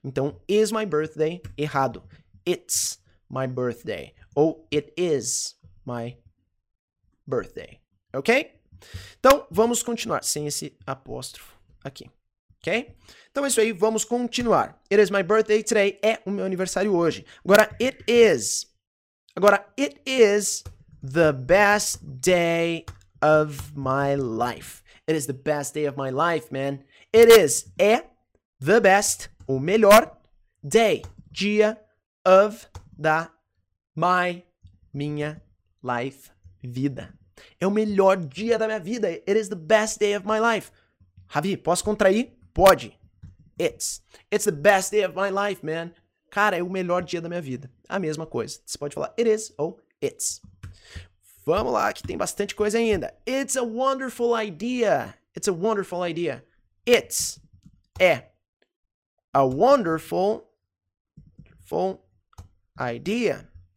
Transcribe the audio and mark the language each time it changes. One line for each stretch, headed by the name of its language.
English: Então, is my birthday, errado. It's my birthday. Ou it is my birthday, ok?
Portuguese: Então, vamos continuar sem esse apóstrofo aqui, ok? Então, é isso aí, vamos continuar.
English: It is my birthday today,
Portuguese: é o meu aniversário hoje.
English: Agora, it is. Agora, it is the best day of my life. It is the best day of my life, man. It is, é the best, o melhor, day, dia, of, da, my, minha, life, vida.
Portuguese: É o melhor dia da minha vida.
English: It is the best day of my life. Ravi,
Portuguese: posso contrair? Pode.
English: It's the best day of my life, man.
Portuguese: Cara, é o melhor dia da minha vida. A mesma coisa. Você pode falar it is ou it's. Vamos lá, que tem bastante coisa ainda.
English: It's a wonderful idea. It's a wonderful idea. It's é a wonderful idea.